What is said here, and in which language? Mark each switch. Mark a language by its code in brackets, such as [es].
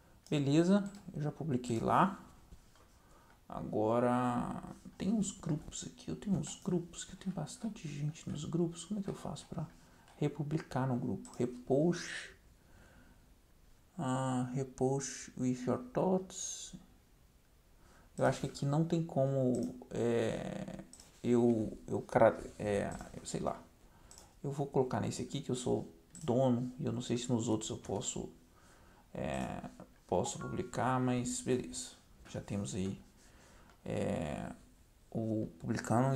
[pt] Beleza, eu já publiquei lá. Agora tem uns grupos aqui. Eu tenho uns grupos que tem bastante gente nos grupos. Como é que eu faço para republicar no grupo? [en] Repost. Repost with your thoughts. [pt] Eu acho que aqui não tem como eu sei lá. Eu vou colocar nesse aqui que eu sou dono, e eu não sei se nos outros eu posso publicar, mas beleza. Já temos aí o publicando.